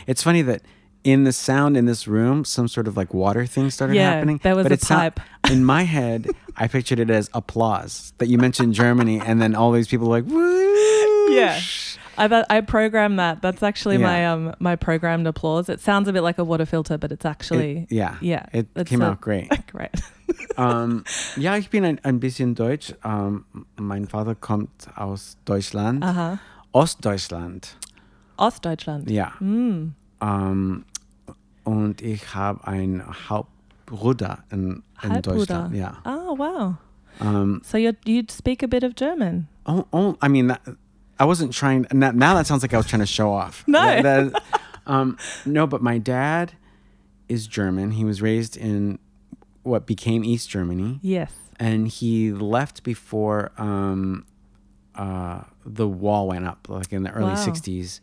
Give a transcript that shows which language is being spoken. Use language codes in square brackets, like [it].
[en] It's funny that in the sound in this room, some sort of like water thing started happening. Yeah, there was a pipe. In my head, I pictured it as applause that you mentioned Germany and then all these people were like, whoosh. Yeah, I programmed that. That's actually my programmed applause. It sounds a bit like a water filter, but it's actually... It came out great. Great. [de] Ja, ich bin ein bisschen Deutsch. Mein Vater kommt aus Deutschland. Uh-huh. Ostdeutschland. Ostdeutschland. Ja. Mm. Und ich habe einen Halbbruder in Deutschland. Ja. [en] Oh, wow. So you'd speak a bit of German. I wasn't trying. Now that sounds like I was trying to show off. No. But my dad is German. He was raised in what became East Germany. Yes. And he left before the wall went up, like in the early 60s.